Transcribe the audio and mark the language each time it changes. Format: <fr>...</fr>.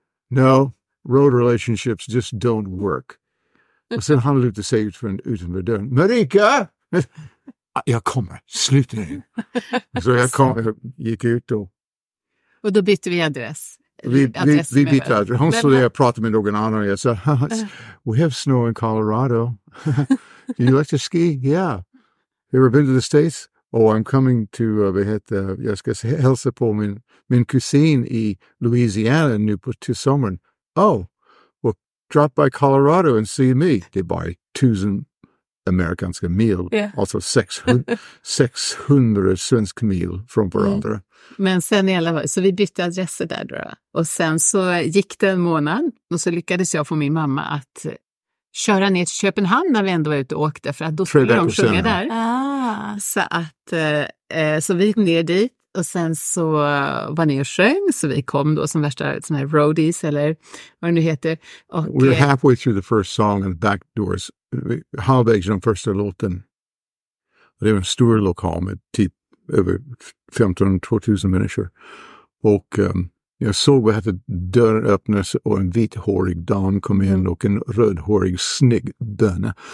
<en>No, road relationships just don't work.</en> <sv>Och sen han lutade sig utanför dörren. Marika! Jag kommer. Sluta in. Så jag kom, gick ut då. Och då bytte vi adress. Vi bytte adress. Hon stod där och pratade med någon annan. Jag sa,</sv> <en>we have snow in Colorado. Do you like to ski? Yeah. You ever been to the States?</en> <sv>Och</sv> <en>I'm coming to,</en> <sv>vad heter, jag ska hälsa på min kusin i Louisiana nu på till sommaren.</sv> <en>Oh, well, drop by Colorado and see me.</en> <sv>Det är bara 1,000 amerikanska mil.</sv> <en>Yeah.</en> <sv>Alltså 600 svensk mil från varandra. Mm. Men sen i alla fall, så vi bytte adresser där då. Och sen så gick det en månad och så lyckades jag få min mamma att köra ner till Köpenhamn när vi ändå var ute och åkte, för att då skulle de sjunga senare där. Ah. Så att så vi kom ner dit och sen så var ni och sjöng, så vi kom då som värsta sån här roadies eller vad det nu heter. Och,</sv> <en>we're halfway through the first song and the back doors.</en> <sv>Halvvägs den första låten. Det var en stor lokal med typ över 15-2000 människor. Och jag såg att dörren öppnades och en vithårig dam kom in och en rödhårig snygg böna.</sv>